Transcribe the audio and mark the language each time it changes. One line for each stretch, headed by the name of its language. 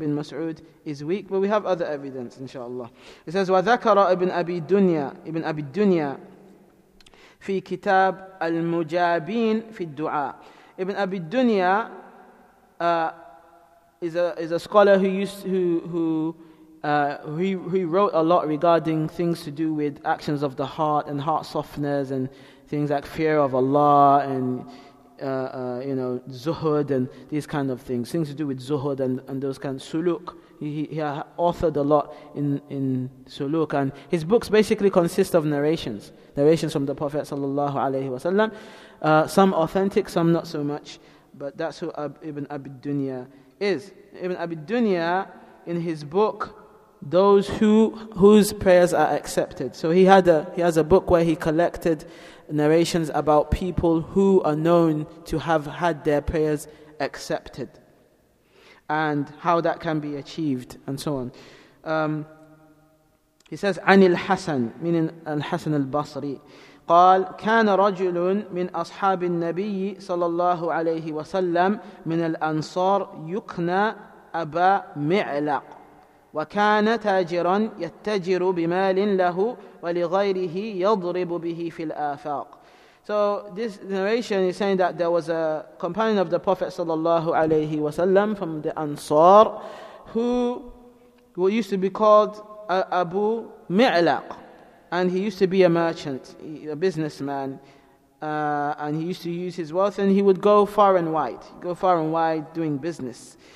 English: But we have other evidence, inshallah. It says,
Arabic: وَذَكَرَ ابْنُ أَبِي الدُّنْيَا ابْنُ أَبِي الدُّنْيَا فِي كِتَابِ الْمُجَابِينَ فِي الدُّعَاءِ.
English: Ibn Abi Dunya is a scholar who wrote a lot regarding things to do with actions of the heart and heart softeners and things like fear of Allah and zuhud and these kind of things. Things to do with zuhud and those kind of suluk. He authored a lot in suluk, and his books basically consist of narrations from the Prophet sallallahu alaihi wasallam. Some authentic, some not so much, but that's who Ibn Abi Dunya is. Ibn Abi Dunya, in his book, those whose prayers are accepted. So he has a book where he collected narrations about people who are known to have had their prayers accepted and how that can be achieved and so on. He says,
Arabic: عن الحسن, meaning الحسن البصري, قال كان رجل من أصحاب النبي صلى الله عليه وسلم من الأنصار يكنى أبا معلق وكان تاجرا يتجر بمال له ولغيره يضرب به في الآفاق.
English: So this narration is saying that there was a companion of the Prophet
Arabic: صلى الله عليه وسلم
English: from the Ansar who used to be called Abu Mi'laq, and he used to be a merchant, a businessman, and he used to use his wealth, and he would go far and wide doing business.